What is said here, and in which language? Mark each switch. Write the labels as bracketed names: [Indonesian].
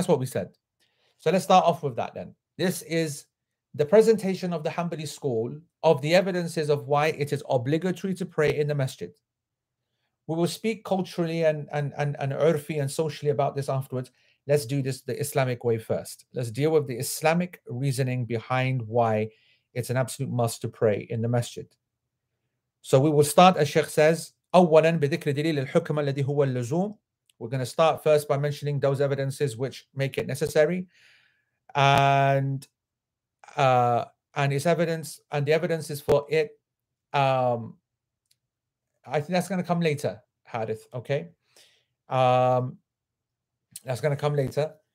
[English] So let's start off with that then. This is the presentation of the Hanbali school of the evidences of why it is obligatory to pray in the masjid. We will speak culturally and urfi and socially about this afterwards. Let's do this the Islamic way first. Let's deal with the Islamic reasoning behind why it's an absolute must to pray in the masjid. So we will start, as Sheikh says, [Arabic] أولاً بذكر دليل الحكم الذي هو اللزوم. [English] We're going to start first by mentioning those evidences which make it necessary. And it's evidence, and the evidence is for it. I think that's going to come later, Hadith, okay? That's going to come later.